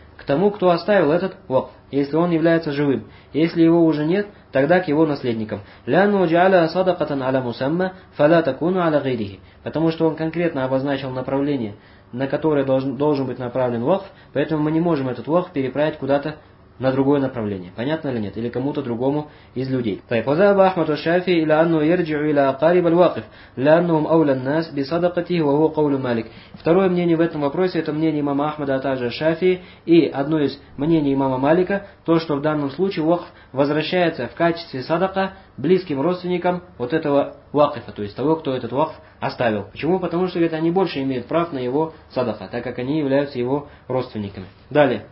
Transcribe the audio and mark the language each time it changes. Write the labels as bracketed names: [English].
[Russian] к тому, кто оставил этот вакф, если он является живым. Если его уже нет, тогда к его наследникам. [Arabic] لَأَنُّهُ جَعَلَ صَدَقَةً عَلَى مُسَمَّى فَلَا تَكُونُ عَلَى غَيْرِهِ. [Russian] Потому что он конкретно обозначил направление, на которое должен быть направлен вакф, поэтому мы не можем этот вакф переправить куда-то на другое направление. Понятно ли нет? Или кому-то другому из людей. [Arabic] فذهب أحمد الشافعي إلى أنه يرجع إلى أقارب الواقف لأنهم أولى الناس بصدقته وهو قول مالك. [Russian] Второе мнение в этом вопросе это мнение имама Ахмада, а также Шафии, и одно из мнений имама Малика, то, что в данном случае вакф возвращается в качестве садака близким родственникам вот этого вакфа, то есть того, кто этот вакф оставил. Почему? Потому что говорит, они больше имеют прав на его садака, так как они являются его родственниками. Далее.